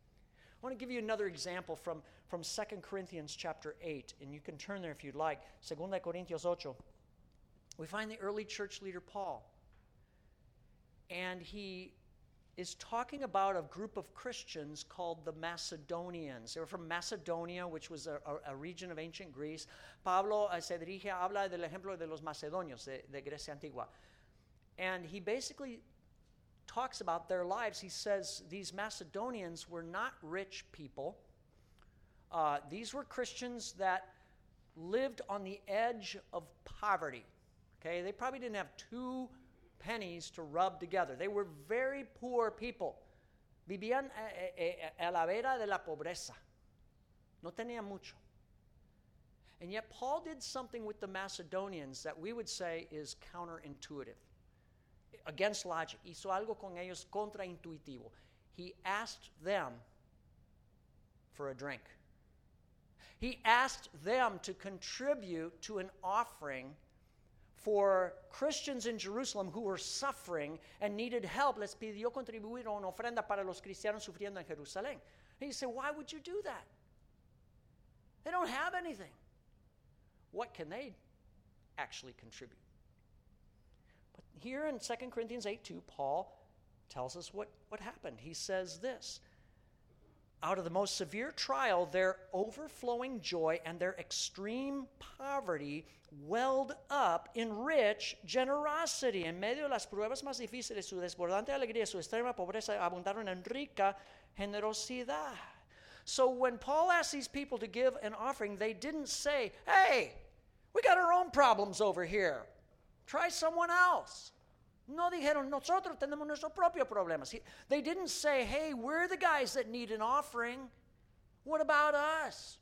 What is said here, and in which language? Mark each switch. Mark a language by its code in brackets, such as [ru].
[en] I want to give you another example from 2 Corinthians chapter 8, and you can turn there if you'd like. 2 Corinthians 8. We find the early church leader Paul, and he is talking about a group of Christians called the Macedonians. They were from Macedonia, which was a region of ancient Greece. [es] Pablo se dirige, habla del ejemplo de los macedonios de Grecia Antigua. [en] And he basically talks about their lives. He says these Macedonians were not rich people. These were Christians that lived on the edge of poverty. Okay, they probably didn't have two pennies to rub together. They were very poor people. [es] Vivían a la vera de la pobreza. No tenían mucho. [en] And yet Paul did something with the Macedonians that we would say is counterintuitive. Against logic. [es] Hizo algo con ellos contraintuitivo. [en] He asked them for a drink. He asked them to contribute to an offering for Christians in Jerusalem who were suffering and needed help. [es] Les pidió contribuir a una ofrenda para los cristianos sufriendo en Jerusalén. [en] And you say, why would you do that? They don't have anything. What can they actually contribute? Here in 2 Corinthians 8, 2, Paul tells us what happened. He says this, out of the most severe trial, their overflowing joy and their extreme poverty welled up in rich generosity. [es] En medio de las pruebas más difíciles, su desbordante alegría, su extrema pobreza, abundaron en rica generosidad. [en] So when Paul asked these people to give an offering, they didn't say, hey, we got our own problems over here. Try someone else. [es] No dijeron, nosotros tenemos nuestros propios problemas. [en] They didn't say, hey, we're the guys that need an offering. What about us?